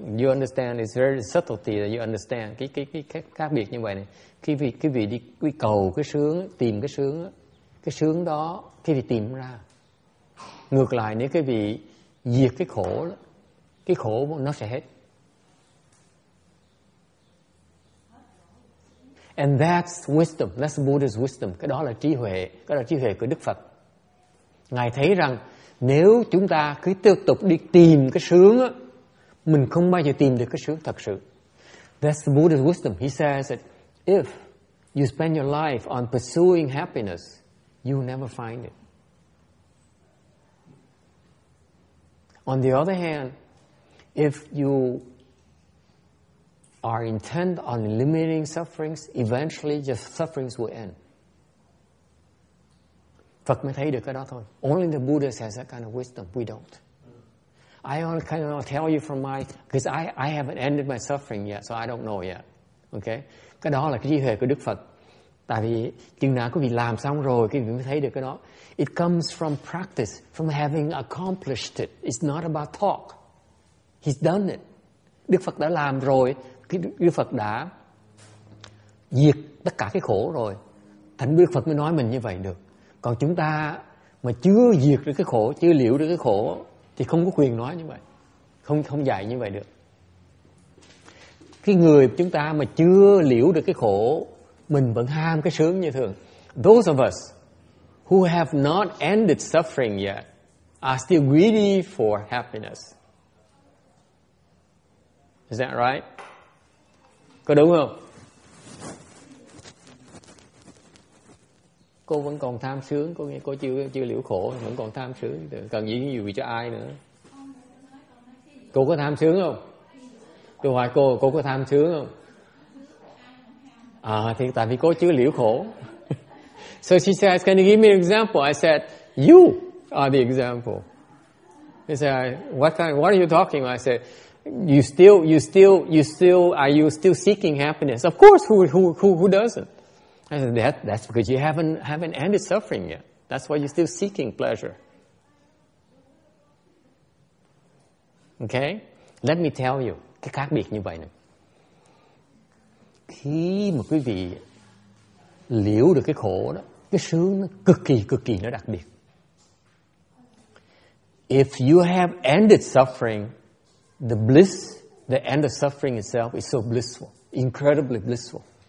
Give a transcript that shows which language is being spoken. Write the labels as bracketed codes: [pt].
[en] You understand, it's very subtlety that you understand. [vi] Cái khác biệt như vậy này. Khi vị đi quy cầu cái sướng, tìm cái sướng đó, khi vị tìm ra. Ngược lại, nếu cái vị diệt cái khổ, đó, cái khổ nó sẽ hết. [en] And that's wisdom. That's Buddha's wisdom. [vi] Cái đó là trí huệ. Cái đó là trí huệ của Đức Phật. Ngài thấy rằng nếu chúng ta cứ tiếp tục đi tìm cái sướng á, mình không bao giờ tìm được cái sướng thật sự. [en] That's the Buddha's wisdom. He says that if you spend your life on pursuing happiness, you will never find it. On the other hand, if you are intent on eliminating sufferings, eventually your sufferings will end. [vi] Phật mới thấy được cái đó thôi. [en] Only the Buddha has that kind of wisdom. We don't. I only kind of tell you from my, because I haven't ended my suffering yet, so I don't know yet. Okay? [vi] Cái đó là cái trí huệ của Đức Phật. Tại vì chừng nào quý vị làm xong rồi, quý vị mới thấy được cái đó. [en] It comes from practice, from having accomplished it. It's not about talk. He's done it. [vi] Đức Phật đã làm rồi. Đức Phật đã diệt tất cả cái khổ rồi. Thành Đức Phật mới nói mình như vậy được. Còn chúng ta mà chưa diệt được cái khổ, chưa liễu được cái khổ thì không có quyền nói như vậy. Không dạy như vậy được. Cái người chúng ta mà chưa liễu được cái khổ, mình vẫn ham cái sướng như thường. [en] Those of us who have not ended suffering yet are still greedy for happiness. Is that right? [vi] Có đúng không? Cô vẫn còn tham sướng, cô nghĩ cô chưa liễu khổ, vẫn còn tham sướng, cần gì nhiều gì cho ai nữa. Cô có tham sướng không? Tôi hỏi cô có tham sướng không? À, thì tại vì cô chưa liễu khổ. [en] So she says, can you give me an example? I said, you are the example. She said, what are you talking about? I said, Are you still seeking happiness? Of course, who doesn't? I said, that's because you haven't ended suffering yet. That's why you're still seeking pleasure. Okay? Let me tell you, [vi] cái khác biệt như vậy nè. Khi mà quý vị liễu được cái khổ đó, cái sướng nó cực kỳ nó đặc biệt. [en] If you have ended suffering, the bliss, the end of suffering itself is so blissful, incredibly blissful.